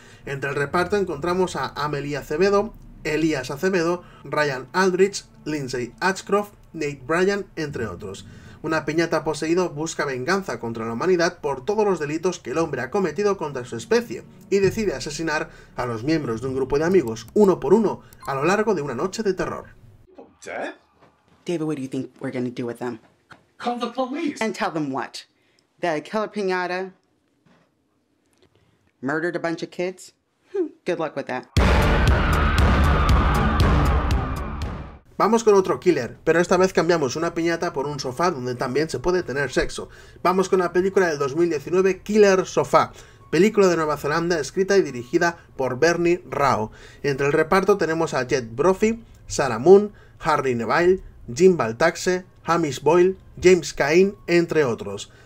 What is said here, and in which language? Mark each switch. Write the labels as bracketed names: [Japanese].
[Spanish] Entre el reparto encontramos a Amelia Acevedo, Elías Acevedo, Ryan Aldrich, Lindsay Ashcroft, Nate Bryan, entre otros. Una piñata poseído busca venganza contra la humanidad por todos los delitos que el hombre ha cometido contra su especie y decide asesinar a los miembros de un grupo de amigos, uno por uno, a lo largo de una noche de terror. [English] ¿Dead? David, what do you think we're going to do with them? Call the police. And tell them what? That a killer piñata murdered a bunch of kids? Good luck with that. [Spanish] Vamos con otro killer, pero esta vez cambiamos una piñata por un sofá donde también se puede tener sexo. Vamos con la película del 2019 Killer Sofá, película de Nueva Zelanda escrita y dirigida por Bernie Rao. Entre el reparto tenemos a Jed Brophy, Sarah Moon, Harry Neville, Jim Baltaxe, Hamish Boyle, James Caine, entre otros.